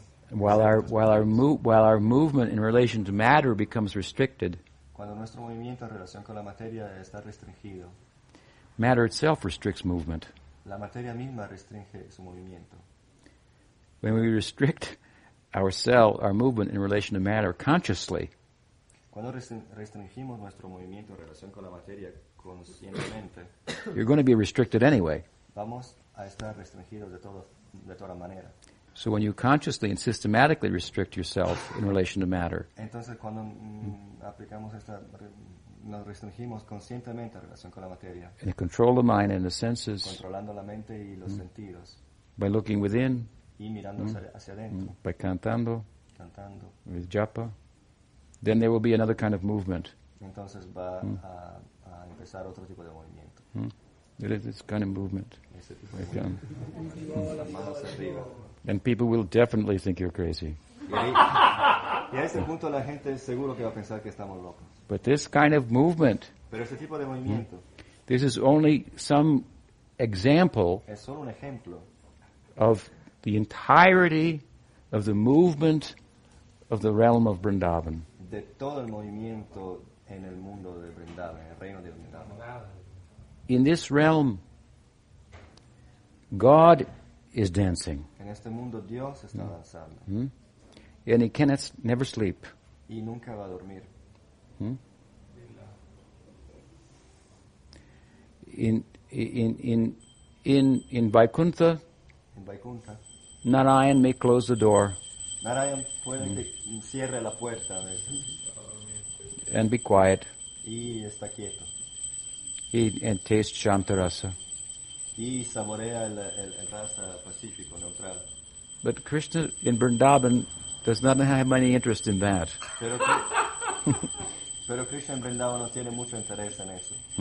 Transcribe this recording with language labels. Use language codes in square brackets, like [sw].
[en] While our movement in relation to matter becomes restricted, [es] cuando nuestro movimiento en relación con la materia está restringido, [en] matter itself restricts movement. [es] La materia misma restringe su movimiento. [en] When we restrict our movement in relation to matter consciously, [es] cuando restringimos nuestro movimiento en relación con la materia conscientemente, [en] you're going to be restricted anyway. [es] Vamos a estar restringidos de todo, de toda manera. [en] So when you consciously and systematically restrict yourself in relation to matter, [es] entonces cuando aplicamos esta, nos restringimos conscientemente en relación con la materia, [en] and control the mind and the senses, [es] controlando la mente y los sentidos, [en] by looking within, [es] y mirando hacia adentro. [en] By cantando with japa, then there will be another kind of movement. [es] Entonces va a empezar otro tipo de movimiento. [en] There is this kind of movement. Like, And people will definitely think you're crazy. [es] Y a ese punto la gente seguro que va a pensar que estamos locos. [en] But this kind of movement, [es] pero ese tipo de movimiento, [en] this is only some example [es] es solo un ejemplo [en] of the entirety of the movement of the realm of Vrindavan. [es] De todo el movimiento en el mundo de Vrindavan, el reino de Vrindavan. [en] In this realm, God is dancing. [es] En este mundo, Dios está danzando. [en] Mm-hmm. And he cannot never sleep. [es] Y nunca va a dormir. [en] In Vaikuntha, in Vaikuntha, Narayan may close the door. [es] Narayan puede que cierre la puerta a veces. [en] And be quiet. [es] Y está quieto. [en] And taste Shantarasa. [es] Y saborea el rasa pacífico, neutral. [en] But Krishna in Vrindavan does not have any interest in that. [es] Pero Krishna en Vrindavan no tiene mucho interés en eso.